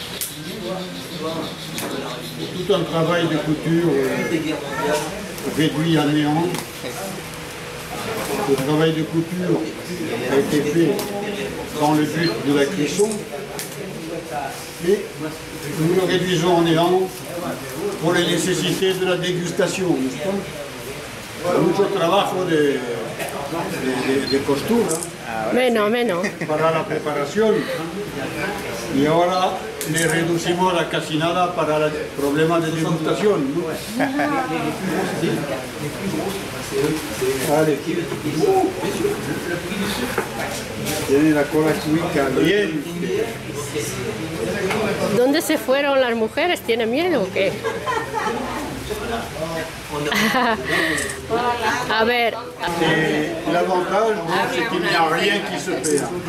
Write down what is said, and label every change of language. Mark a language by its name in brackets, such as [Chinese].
[French] Tout un travail de couture réduit à néant. Ce travail de couture a été fait dans le but de la cuisson. Et nous le réduisons à néant pour les nécessités de la dégustation. [Spanish] Mucho trabajo de costura. Menos. Para la preparación. Y ahora le reducimos la casinada para el problema de degustación. Vale. Tiene la cola chica. Bien. ¿Dónde se fueron las mujeres? ¿Tiene miedo o qué? A ver. [French] Et l'avantage, c'est qu'il n'y a rien qui se perd.